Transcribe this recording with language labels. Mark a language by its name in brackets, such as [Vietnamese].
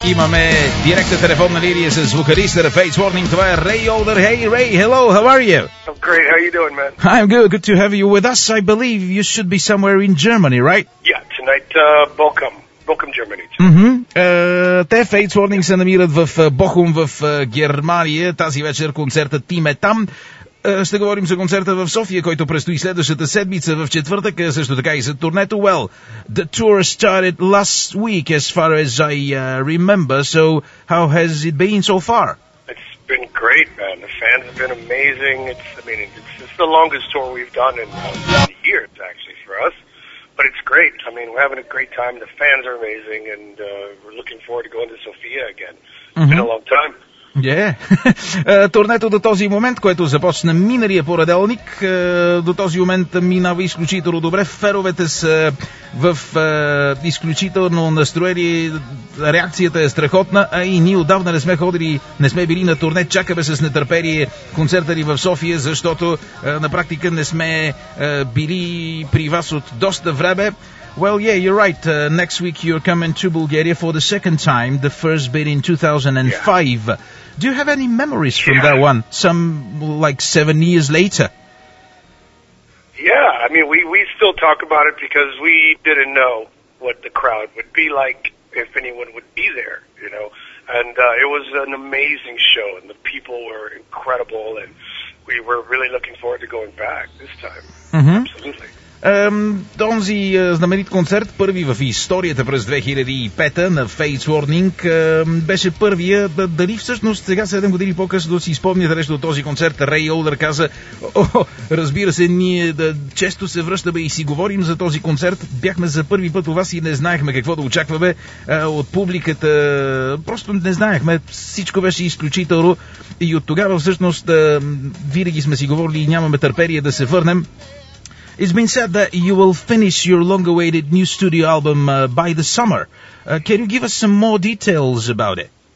[Bulgarian] Имаме директна телефонна линия с вокалиста на Fates Warning. Това е [English] Ray Older. Hey, Ray, hello, how are you? I'm great, how are you doing, man? I'm good, good to have you with us. I believe you should be somewhere in Germany, right? Yeah, tonight, Bochum, Germany. Mm-hmm. [Bulgarian] Те, Fates Warning, се намират в Bochum, в Германия. Тази вечер концертът им е там. Ще говорим за концерта в София, който предстои следващата седмица в четвъртък, също така и за турнето. [English] Well, the tour started last week, as far as I remember, so how has it been so far? It's been great, man. The fans have been amazing. It's the longest tour we've done in years, actually, for us. But it's great. I mean, we're having a great time. The fans are amazing, and we're looking forward to going to Sofia again. It's mm-hmm. been a long time. Yeah. [Bulgarian] Турнето до този момент, което започна миналия понеделник, до този момент минава изключително добре. Феновете са в изключително настроение, реакцията е страхотна, а и ние отдавна не сме ходили, не сме били на турне. Чакаме с нетърпение концерта ни в София, защото на практика не сме били при вас от доста време. [English] Well, yeah, you're right. Next week you're coming to Bulgaria for the second time, the first being in 2005. Yeah. Do you have any memories from that one? Some, like, 7 years later? Yeah, I mean, we still talk about it because we didn't know what the crowd would be like, if anyone would be there, you know. And it was an amazing show, and the people were incredible, and we were really looking forward to going back this time. Mm-hmm. Absolutely. [Bulgarian] Този знаменит концерт, първи в историята през 2005-та на Fates Warning, беше първия. Дали всъщност сега 7 години по-късно си спомняте нещо от този концерт? Ray Older каза, разбира се, ние често се връщаме и си говорим за този концерт. Бяхме за първи път у вас и не знаехме какво да очакваме от публиката. Просто не знаехме. Всичко беше изключително. И от тогава всъщност винаги сме си говорили и нямаме търпение да се върнем. [English] It's been said that you will finish your long-awaited new studio album by the summer. Can you give us some more details about it?